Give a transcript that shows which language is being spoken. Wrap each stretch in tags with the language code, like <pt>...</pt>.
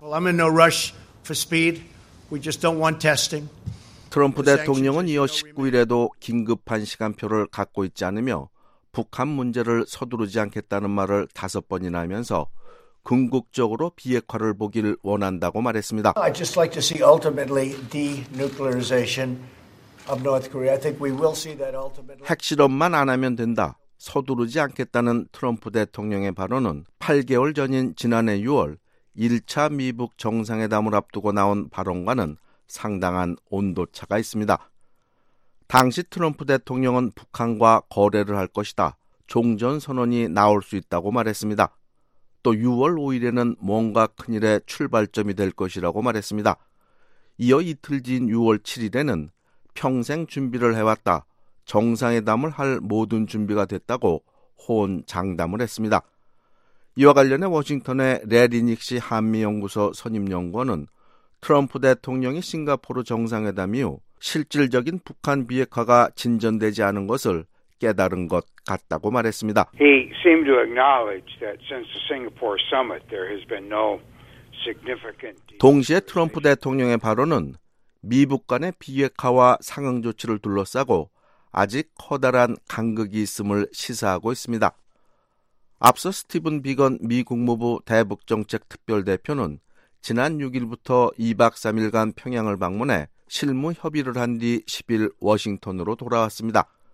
<en>Well, I'm in no rush for speed. We just don't want testing.</en> <ko>트럼프 대통령은 이어 19일에도 긴급한 시간표를 갖고 있지 않으며 북한 문제를 서두르지 않겠다는 말을 5번이나 하면서 궁극적으로 비핵화를 보길 원한다고 말했습니다.</ko> <en>I'd just like to see ultimately denuclearization of North Korea. I think we will see that ultimately.</en> <ko>핵실험만 안 하면 된다. 서두르지 않겠다는 트럼프 대통령의 발언은 8개월 전인 지난해 6월 1차 미북 정상회담을 앞두고 나온 발언과는 상당한 온도차가 있습니다. 당시 트럼프 대통령은 북한과 거래를 할 것이다. 종전 선언이 나올 수 있다고 말했습니다. 또 6월 5일에는 뭔가 큰일의 출발점이 될 것이라고 말했습니다. 이어 이틀 뒤인 6월 7일에는 평생 준비를 해왔다. 정상회담을 할 모든 준비가 됐다고 호언장담을 했습니다. 이와 관련해 워싱턴의 레리닉시 한미연구소 선임연구원은 트럼프 대통령이 싱가포르 정상회담 이후 실질적인 북한 비핵화가 진전되지 않은 것을 깨달은 것 같다고 말했습니다.</ko> <en>He seemed to acknowledge that since the Singapore summit there has been no significant.</en> <ko>동시에 트럼프 대통령의 발언은 미북 간의 비핵화와 상응 조치를 둘러싸고 아직 커다란 간극이 있음을 시사하고 있습니다. 앞서 스티븐 비건 미 국무부 대북정책특별대표는 지난 6일부터 2박 3일간 평양을 방문해 실무 협의를 한 뒤 10일 워싱턴으로 돌아왔습니다.</ko>